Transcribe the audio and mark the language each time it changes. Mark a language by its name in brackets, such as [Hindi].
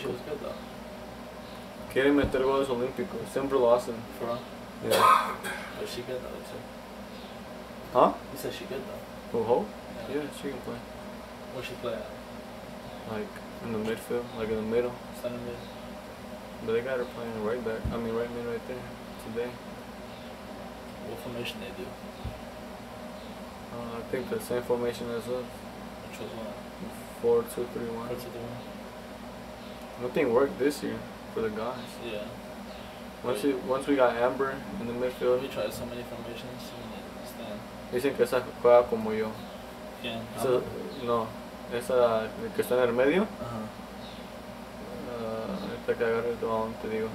[Portuguese] Querem meter goles olímpicos. Querem meter goles olímpicos. Sempre lá, assim. Foram? [English] Yeah. Is she good, though? Huh? You said she good, though. Oh, Hope? Yeah. Yeah, she can play. Where she play at? Like, in the midfield. Like, in the middle. Center mid. But they got her playing right back. I mean, right mid right there. Today. What formation they do? I think the same formation as us. Which was what? 4-2-3-1. 4-2-3-1. Nothing worked this year for the guys. Yeah. Once we got Amber in the midfield. We tried so many formations, so many stand. [Spanish] Dicen que esa juega como yo. ¿Quién? Esa, no. Esa que está en el medio. Uh-huh. Esta que agarra el balón, te digo.